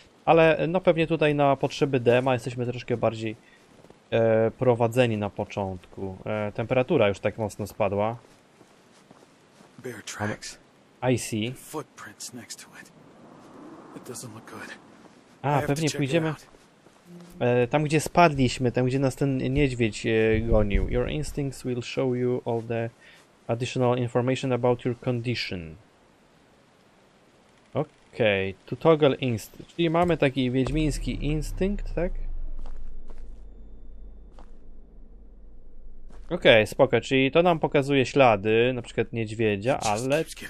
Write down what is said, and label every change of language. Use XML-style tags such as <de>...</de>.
<pl>Ale no pewnie tutaj na potrzeby dema jesteśmy troszkę bardziej prowadzeni na początku. Temperatura już tak mocno spadła.</pl> <en>Bear tracks. I see. Footprints next to it. It doesn't look good.</en> <pl>A, pewnie pójdziemy tam, gdzie spadliśmy, tam, gdzie nas ten niedźwiedź gonił.</pl> <en>Your instincts will show you all the additional information about your condition. Okej, okay. To toggle instinct.</en> <pl>Czyli mamy taki wiedźmiński instynkt, tak? Okej, okay, spoko, czyli to nam pokazuje ślady, na przykład niedźwiedzia, ale...</pl>